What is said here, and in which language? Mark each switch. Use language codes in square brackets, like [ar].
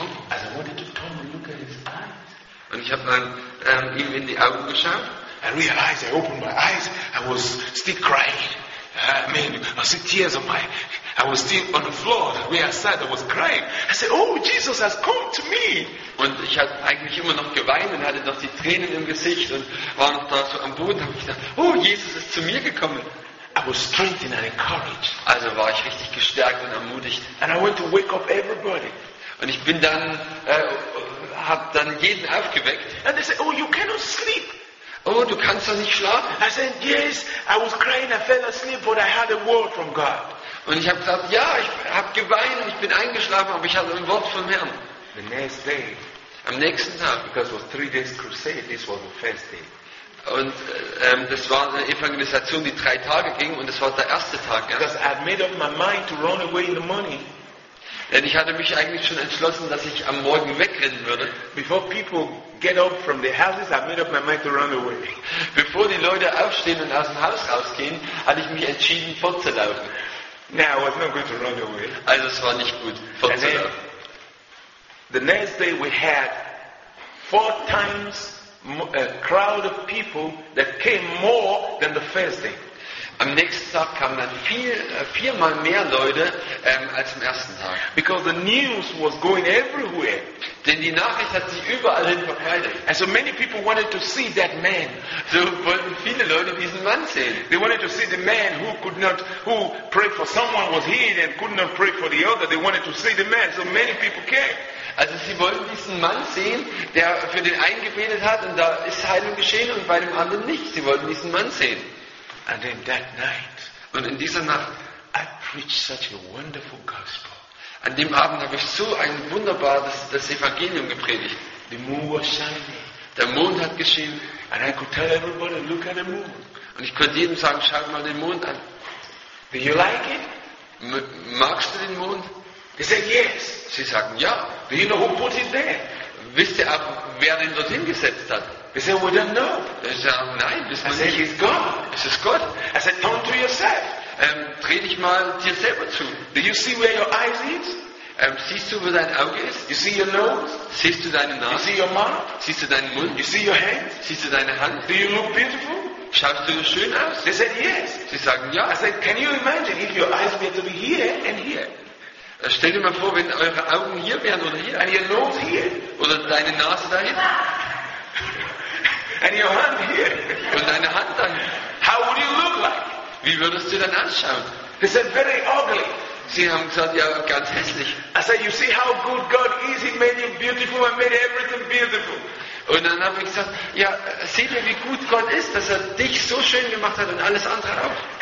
[en] As I wanted to turn and look at his eyes. [de] Und ich habe dann ihm in die Augen geschaut. [en] I realized I opened my eyes. I was still crying. I was still on the floor where I sat. I was crying. I said, "Oh, Jesus has come to me." [de] Und ich hatte eigentlich immer noch geweint und hatte noch die Tränen im Gesicht und war noch da so am Boden. Habe ich gedacht, "Oh, Jesus ist zu mir gekommen." [en] I was strengthened and encouraged. [de] Also war ich richtig gestärkt und ermutigt. [en] And I went to wake up everybody. [de] Und ich bin dann, hab dann jeden aufgeweckt. [en] And they said, oh, you cannot sleep. [de] Oh, du kannst doch nicht schlafen. [en] I said, yes, I was crying, I fell asleep, but I had a word from God. [de] Und ich habe gesagt, ja, ich habe geweint und ich bin eingeschlafen, aber ich hatte ein Wort vom Herrn. [en] The next day. [de] Am nächsten Tag. [en] Because it was 3 days crusade, this was the first day. [de] Und das war eine Evangelisation, die 3 Tage ging, und das war der erste Tag. Ja? [en] Because I had made up my mind to run away in the morning. [de] Denn ich hatte mich eigentlich schon entschlossen, dass ich am Morgen wegrennen würde. [en] Before people get up from their houses, I made up my mind to run away. [de] Bevor die Leute aufstehen und aus dem Haus rausgehen, hatte ich mich entschieden, fortzulaufen. [en] No, I was not going to run away. [de] Also es war nicht gut, fortzulaufen. [en] And then, the next day we had 4 times a crowd of people that came more than the first day. [de] Am nächsten Tag kamen dann viermal mehr Leute als am ersten Tag. [en] Because the news was going everywhere. [de] Denn die Nachricht hat sich überall hin verbreitet. [en] And so many people wanted to see that man. [de] So wollten viele Leute diesen Mann sehen. [en] They wanted to see the man who could not, who prayed for someone was healed and could not pray for the other. They wanted to see the man. So many people came. [de] Also sie wollten diesen Mann sehen, der für den einen gebetet hat und da ist Heilung geschehen und bei dem anderen nicht. Sie wollten diesen Mann sehen. [en] And in that night, [de] und in dieser Nacht, [en] I preached such a wonderful gospel. [de] An dem Abend habe ich so ein wunderbares das Evangelium gepredigt. [en] The moon was shining. [de] Der Mond hat geschienen. [en] And I could tell everybody, look at the moon. [de] Und ich konnte jedem sagen, schau mal den Mond an. [en] Do you like it? [de] Magst du den Mond? [en] They said yes. [de] Sie sagten ja. [en] Do you know who put it there? [de] Wisst ihr auch, wer den dorthin gesetzt hat? [en] They said, we don't know. [de] Nein, [en] it's God. [de] Es ist Gott. [en] I said, turn to yourself. [de] Dreh dich mal dir selber zu. [en] Do you see where your eyes is? [de] Siehst du, wo dein Auge ist? [en] You see your nose? [de] Siehst du deine Nase? [en] You see your mouth? [de] Siehst du deinen Mund? [en] You see your hands? [de] Siehst du deine Hand? [en] Do you look beautiful? [de] Schaust du schön aus? [en] They said, yes. [de] Sie sagen ja. [en] I said, can you imagine if your eyes were to be here and here? [de] Stell dir mal vor, wenn eure Augen hier wären oder hier. [en] And your nose here. [de] Oder deine Nase da hinten. [en] And your hand here. [de] Und deine Hand da hinten. [en] How would you look like? [de] Wie würdest du dann anschauen? [en] They said, very ugly. [de] Sie haben gesagt, ja, ganz hässlich. [en] I said, you see how good God is. He made you beautiful and made everything beautiful. [de] Und dann habe ich gesagt, ja, seht ihr, wie gut Gott ist, dass er dich so schön gemacht hat und alles andere auch.